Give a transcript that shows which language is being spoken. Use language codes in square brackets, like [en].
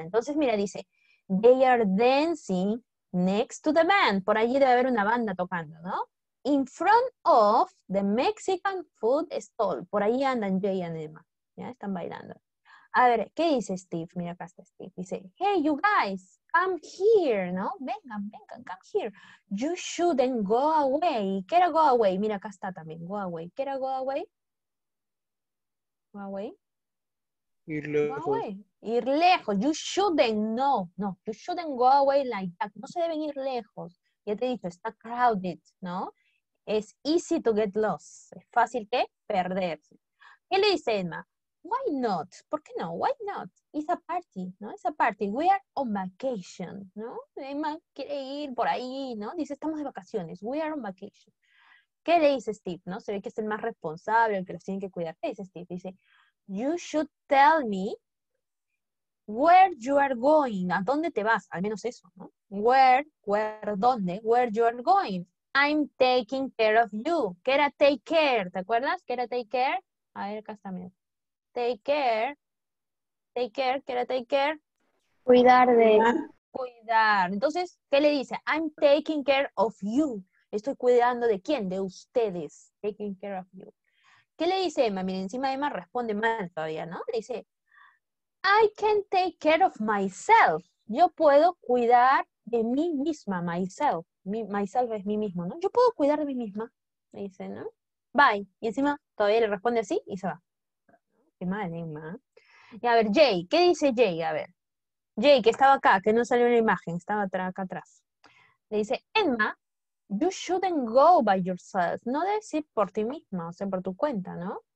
[es] Entonces, mira, dice, [en] they are dancing next to the band. [es] Por allí debe haber una banda tocando, ¿no? [en] In front of the Mexican food stall. [es] Por allí andan Jay y Emma. Ya, están bailando. A ver, ¿qué dice Steve? Mira, acá está Steve. Dice, [en] hey, you guys, come here, [es] ¿no? Vengan, vengan, [en] come here. You shouldn't go away. [es] ¿Qué era [en] go away? [es] Mira, acá está también, [en] go away. ¿Qué era go away? Go away. [es] Ir lejos. [en] Go away. [es] Ir lejos. [en] You shouldn't, no. You shouldn't go away like that. [es] No se deben ir lejos. ya te he dicho, está crowded, ¿no? Es [en] easy to get lost. [es] Es fácil que perderse. ¿Qué le dice Emma? [en] Why not? [es] ¿Por qué no? [en] Why not? It's a party, [es] ¿no? [en] It's a party. We are on vacation, [es] ¿no? Emma quiere ir por ahí, ¿no? Dice, estamos de vacaciones. [en] We are on vacation. [es] ¿Qué le dice Steve, no? Se ve que es el más responsable, el que los tiene que cuidar. ¿Qué dice Steve? Dice, [en] you should tell me where you are going. [es] ¿A dónde te vas? Al menos eso, ¿no? Where, ¿dónde? [en] Where you are going. I'm taking care of you. [es] ¿Qué era take care? ¿Te acuerdas? ¿Qué era take care? A ver, acá está mi... Take care, ¿qué era take care? Cuidar de... Cuidar. Entonces, ¿qué le dice? [en] I'm taking care of you. [es] Estoy cuidando de quién, de ustedes. [en] Taking care of you. [es] ¿Qué le dice Emma? Miren, encima Emma responde mal todavía, ¿no? Le dice, [en] I can take care of myself. [es] Yo puedo cuidar de mí misma, myself. Myself es mí mismo, ¿no? Yo puedo cuidar de mí misma, le dice, ¿no? Bye. Y encima todavía le responde así y se va. Qué mal, Emma. Y a ver, Jay, ¿qué dice Jay? A ver, Jay, que estaba acá, que no salió en la imagen, estaba acá atrás. Le dice, [en] Emma, you shouldn't go by yourself. [es] No debes ir por ti misma, o sea, por tu cuenta, ¿no?